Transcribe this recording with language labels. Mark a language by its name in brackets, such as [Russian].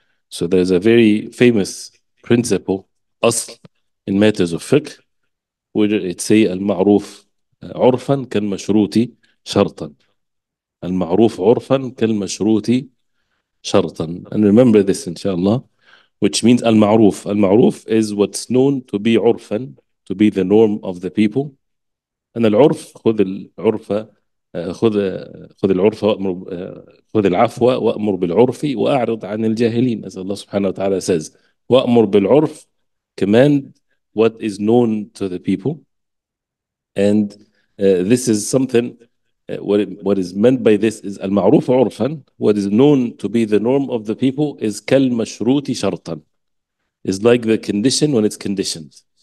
[English] So there's a very famous principle, asl, in matters of fiqh, where it say [Arabic] al-ma'ruf urfan kan mashruti shartan. المعروف عرفا كالمشروط شرطا. [English] And remember this inshallah, which means المعروف. المعروف is what's known to be عرفا, to be the norm of the people. [Arabic] And العرف, خذ العرف, خذ العرف, خذ العفو وأمر بالعرف وأعرض عن الجاهلين, [English] as Allah subhanahu wa ta'ala says. [Arabic] وأمر بالعرف, [English] command what is known to the people. And this is something, what is meant by this is al-ma'ruf urfan, what is known to be the norm of the people, is [Arabic] kal-mashruti shartan, [English] is like the condition when it's conditioned.